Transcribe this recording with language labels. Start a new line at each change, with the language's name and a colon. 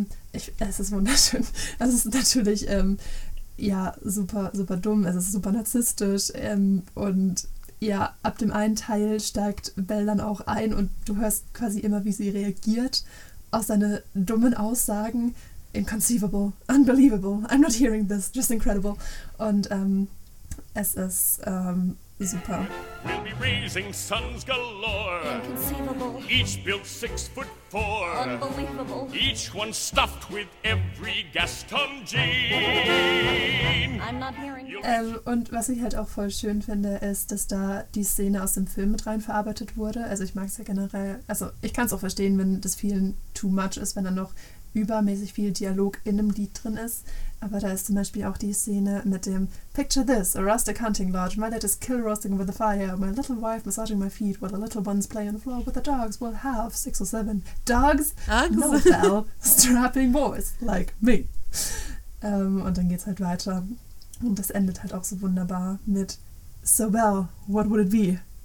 German: Es ist wunderschön. Es ist natürlich ja, super, super dumm, es ist super narzisstisch. Und ja, ab dem einen Teil steigt Belle dann auch ein und du hörst quasi immer, wie sie reagiert auf seine dummen Aussagen.
English: inconceivable, unbelievable, I'm not hearing this, just incredible.
German: Und es ist super.
English: We'll be raising sons galore. Inconceivable. Each built 6'4". Unbelievable. Each one stuffed with every Gaston Jean. I'm not hearing you.
German: Und was ich halt auch voll schön finde, ist, dass da die Szene aus dem Film mit rein verarbeitet wurde. Also ich mag es ja generell, also ich kann es auch verstehen, wenn das vielen too much ist, wenn dann noch übermäßig viel Dialog in einem Lied drin ist. Aber da ist zum Beispiel auch die Szene mit dem
English: Picture this, a rustic hunting lodge. My dad is kill roasting over the fire. My little wife massaging my feet while the little ones play on the floor with the dogs. We'll have 6 or 7 dogs. No bell, strapping boys like me.
German: Und dann geht's halt weiter. Und das endet halt auch so wunderbar mit
English: So well, what would it be?